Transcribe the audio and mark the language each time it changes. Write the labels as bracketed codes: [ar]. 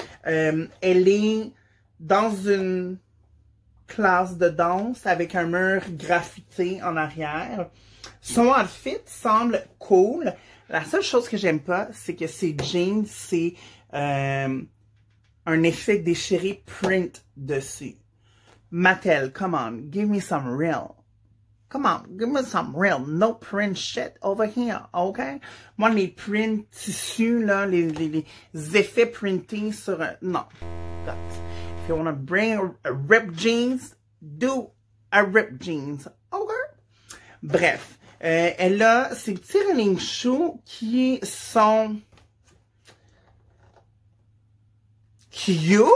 [fr] Elle est dans une classe de danse avec un mur graffité en arrière. Son outfit semble cool. La seule chose que j'aime pas, c'est que ses jeans, c'est un effet déchiré print dessus. [en] Mattel, come on, give me some real. Come on, give me some real. No print shit over here, okay? [fr] Moi, les print tissus, là, les effets printés sur un... Non. [en] But if you wanna bring a ripped jeans, do a ripped jeans, okay? Bref. [fr] Elle a ses petits running shoes qui sont cute.